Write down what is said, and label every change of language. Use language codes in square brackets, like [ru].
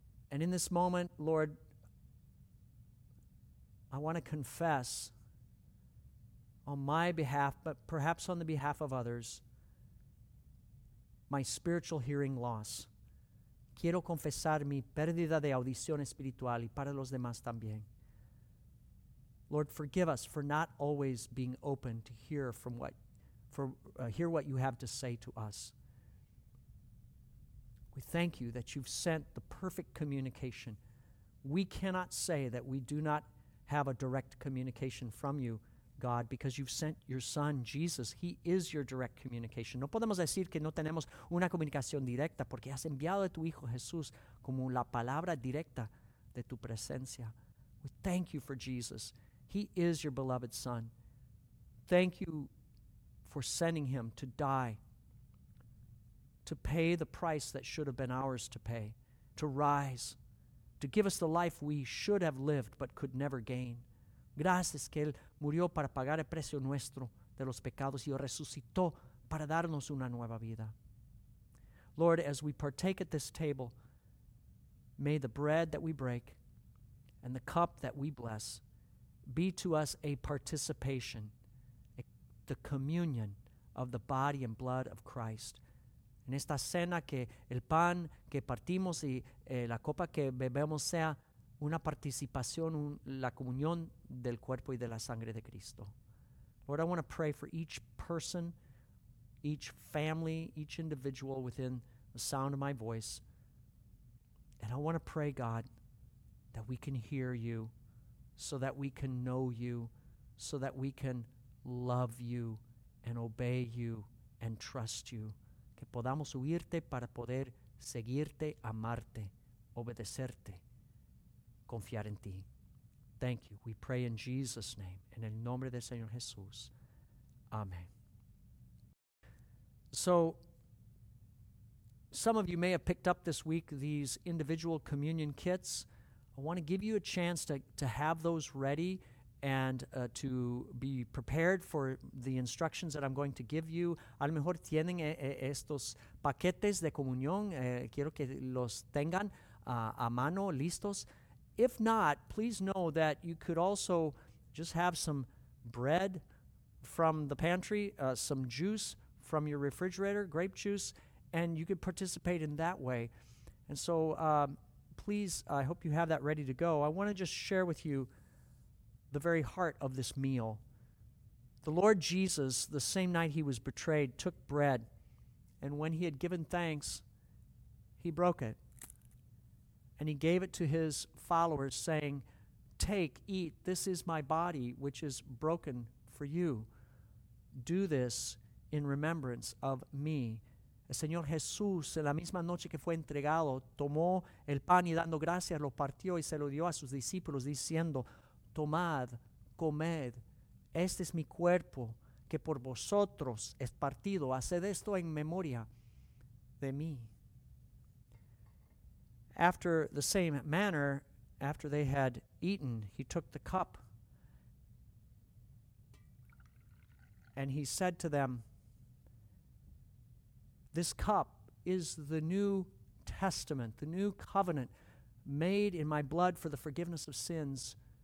[en] And in this moment, Lord, I want to confess on my behalf, but perhaps on the behalf of others, my spiritual hearing loss. [es] Quiero confesar mi pérdida de audición espiritual y para los demás también. [en] Lord, forgive us for not always being open to hear from what, hear what You have to say to us. We thank you that you've sent the perfect communication. We cannot say that we do not have a direct communication from you, God, because you've sent your Son, Jesus. He is your direct communication. [es] No podemos decir que no tenemos una comunicación directa porque has enviado a tu Hijo Jesús como la palabra directa de tu presencia. [en] We thank you for Jesus. He is your beloved Son. Thank you for sending him to die, to pay the price that should have been ours to pay, to rise, to give us the life we should have lived but could never gain. [es] Gracias que Él murió para pagar el precio nuestro de los pecados y resucitó para darnos una nueva vida. [en] Lord, as we partake at this table, may the bread that we break and the cup that we bless be to us a participation, the communion of the body and blood of Christ. [es] En esta cena que el pan que partimos y la copa que bebemos sea una participación, la comunión del cuerpo y de la sangre de Cristo. [en] Lord, I want to pray for each person, each family, each individual within the sound of my voice. And I want to pray, God, that we can hear you, so that we can know you, so that we can love you and obey you and trust you. [es] Que podamos oírte para poder seguirte, amarte, obedecerte, confiar en ti. [en] Thank you. We pray in Jesus' name. [es] En el nombre del Señor Jesús. [en] Amen. So, some of you may have picked up this week these individual communion kits. I want to give you a chance to have those ready and to be prepared for the instructions that I'm going to give you. [es] A lo mejor tienen estos paquetes de comunión. Quiero que los tengan a mano, listos. [en] If not, please know that you could also just have some bread from the pantry, some juice from your refrigerator, grape juice, and you could participate in that way. And so please, I hope you have that ready to go. I want to just share with you the very heart of this meal. The Lord Jesus, the same night he was betrayed, took bread, and when he had given thanks, he broke it. And he gave it to his followers, saying, "Take, eat, this is my body, which is broken for you. Do this in remembrance of me." [es] El Señor Jesús, en la misma noche que fue entregado, tomó el pan y dando gracias, lo partió y se lo dio a sus discípulos, diciendo, "Tomad, comed, este es mi cuerpo, que por vosotros es partido. Haced esto en memoria de mí." [en] After the same manner, after they had eaten, he took the cup and he said to them, "This cup is the new testament, the new covenant made in my blood for the forgiveness of sins.